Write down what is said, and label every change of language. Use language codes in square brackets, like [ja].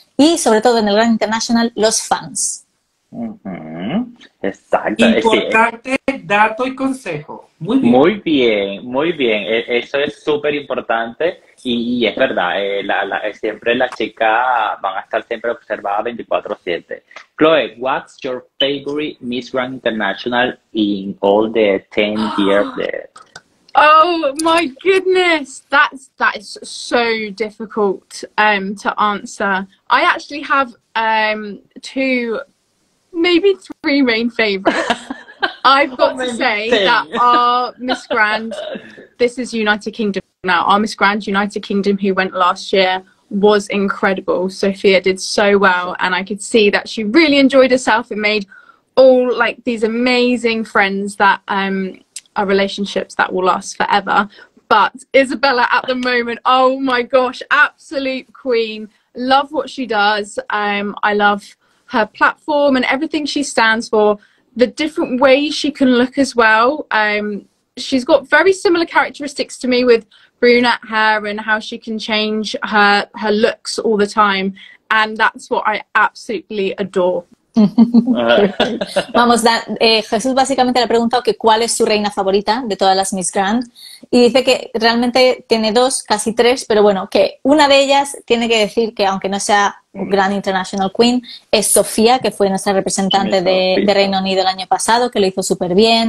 [es] Y sobre todo en el Grand International, los fans. Uh-huh. Exacto. Importante dato y consejo. Muy bien. Muy bien, muy bien. Eso es súper importante. Y es verdad, siempre las chicas van a estar siempre observadas 24/7. [en] Chloe, what's your favorite Miss Grand International in all the 10 years there? Oh my goodness, that is so difficult to answer. I actually have two, maybe three main favorites. I've got to say that our Miss Grand, this is United Kingdom now, our Miss Grand United Kingdom who went last year was incredible. Sophia did so well and I could see that she really enjoyed herself and made all like these amazing friends that are relationships that will last forever. But Isabella at the moment, oh my gosh, absolute queen. Love what she does. I love her platform and everything she stands for. The different ways she can look as well. She's got very similar characteristics to me with brunette hair and how she can change her looks all the time. And that's what I absolutely adore. [es] Vamos, Jesús básicamente le ha preguntado que cuál es su reina favorita de todas las Miss Grand y dice que realmente tiene dos, casi tres, pero bueno, que una de ellas tiene que decir que aunque no sea Grand International Queen, es Sofía, que fue nuestra representante de Reino Unido el año pasado, que lo hizo súper bien.